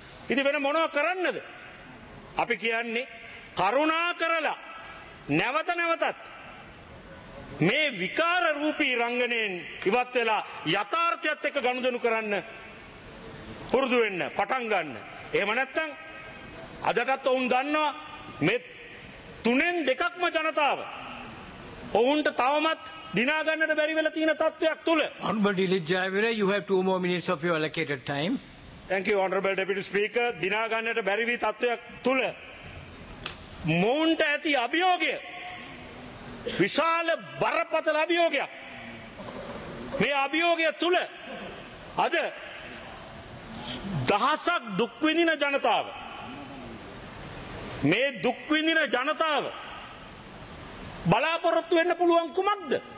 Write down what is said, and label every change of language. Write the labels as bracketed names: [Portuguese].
[Sinhala] ඉතින් වෙන මොනව කරන්නද? අපි කියන්නේ කරුණා කරලා නැවත නැවතත් මේ විකාර රූපී රංගනයෙන් ඉවත් වෙලා යථාර්ථයත් එක්ක ගනුදෙනු කරන්න පුරුදු වෙන්න, පටන් ගන්න. එහෙම නැත්නම් අදටත් ඔවුන් දන්නවා මේ තුනෙන් දෙකක්ම ජනතාව ඔවුන්ට තවමත් දිනා ගන්නට බැරි වෙලා තියෙන තත්වයක් තුල. [English] Honorable Jayawira, you have 2 more minutes of your allocated time. Thank you, Honorable Deputy Speaker. [Sinhala] දිනා ගන්නට බැරි වී තත්වයක් තුල මොවුන්ට ඇති අභියෝගය විශාල බරපතල අභියෝගයක්. මේ අභියෝගය තුල අද දහසක් දුක් විඳින ජනතාව, මේ දුක් විඳින ජනතාව බලාපොරොත්තු වෙන්න පුළුවන් කුමක්ද?